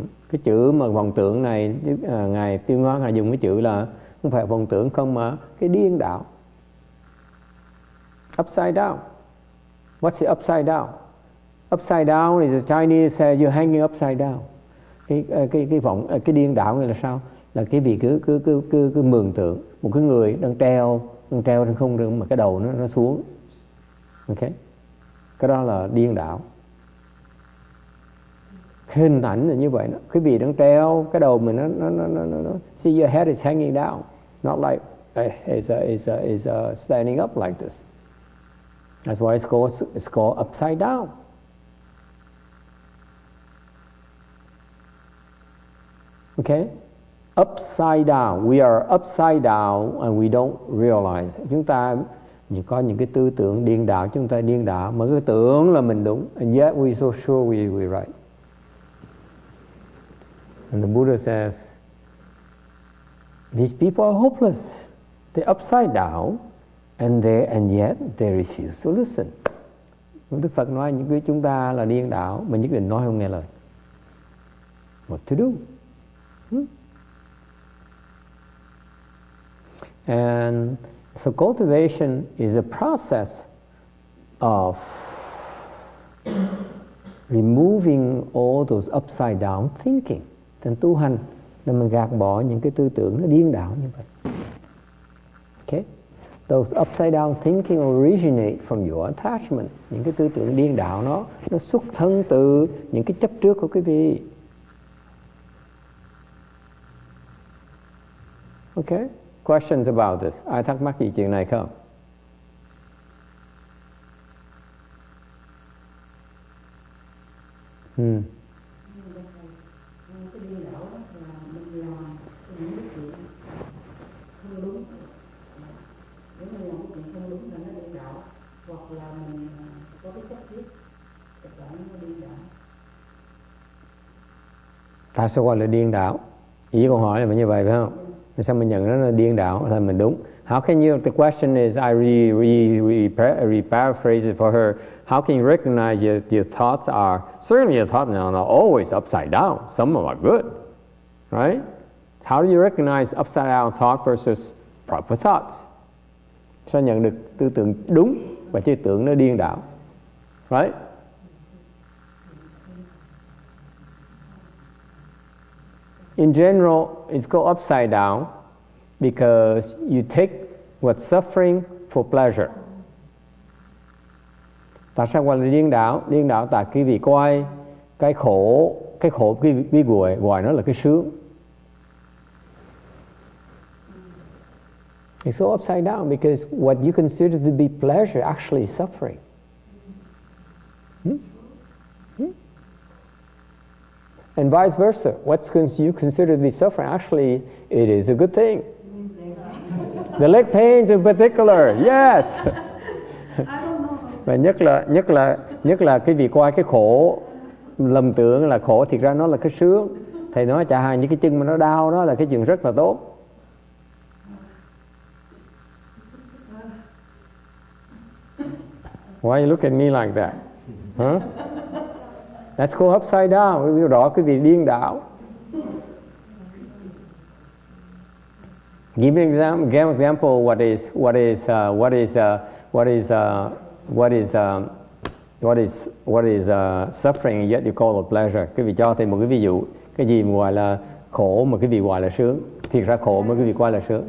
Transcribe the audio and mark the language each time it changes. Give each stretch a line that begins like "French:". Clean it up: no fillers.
Vietnamese: Cái chữ mà vọng tưởng này, Ngài Tiêu Hóa Ngài dùng cái chữ là không phải vọng tưởng không mà cái điên đảo.
English: Upside down. What's the upside down? Upside down is the Chinese says you're hanging upside down.
Vietnamese: Cái điên đảo này là sao? Là cái vị cứ mường tượng một cái người đang treo trên không trung mà cái đầu nó xuống. Okay. Cái đó là điên đảo. Hình ảnh là như vậy đó. Cái vị đang treo cái đầu mình nó
English: see your head is hanging down. Not like it's standing up like this. That's why it's called upside down. Okay? Upside down. We are upside down and we don't realize.
Vietnamese: Chúng ta có những cái tư tưởng điên đảo, chúng ta điên đảo mà cứ tưởng là mình đúng.
English: And yet we so sure we right. And the Buddha says, these people are hopeless. They're upside down, and yet they refuse to listen.
Vietnamese: Đức Phật nói những cái chúng ta là điên đảo, mình nhất định nói không nghe lời.
English: What to do? And so cultivation is a process of removing all those upside down thinking.
Vietnamese: Thành tu hành là mình gạt bỏ những cái tư tưởng nó điên đảo như vậy.
English: Okay? Those upside down thinking originate from your attachment.
Vietnamese: Những cái tư tưởng điên đảo nó xuất thân từ những cái chấp trước của quý vị. Okay?
English: Questions about this?
Vietnamese: Ai thắc mắc gì chuyện này không? Tại sao gọi là điên đảo? Ý câu hỏi là như vậy phải không? Sao mình nhận nó là điên đảo là mình đúng?
English: How can you? The question is, I re-paraphrase it for her. How can you recognize your thoughts are certainly your thoughts are not always upside down. Some of them are good, right? How do you recognize upside down thought versus proper thoughts?
Vietnamese: Sao nhận được tư tưởng đúng và tư tưởng nó điên đảo, right?
English: In general, it's called upside down because you take what's suffering for pleasure.
Vietnamese: tại sao gọi là điên đảo? Điên đảo tại quý vị coi cái khổ quý vị gọi gọi nó là cái sướng.
English: It's so upside down because what you consider to be pleasure actually is suffering. And vice versa, what you consider to be suffering, actually, it is a good thing. The leg pains in particular, yes.
Vietnamese: Và nhất là cái việc qua cái khổ, lầm tưởng là khổ, thiệt ra nó là cái sướng. Thầy nói chả hàng những cái chân mà nó đau, nó là cái chuyện rất là tốt.
English: Why you look at me like that? Huh? That's called upside down.
Vietnamese: Quý vị rõ cái vị điên đảo.
English: Give me an example of what is suffering yet you call it pleasure.
Vietnamese: Quý vị cho thêm một cái ví dụ. Cái gì gọi là khổ mà quý vị gọi là sướng. Thiệt ra khổ mà quý vị gọi là sướng.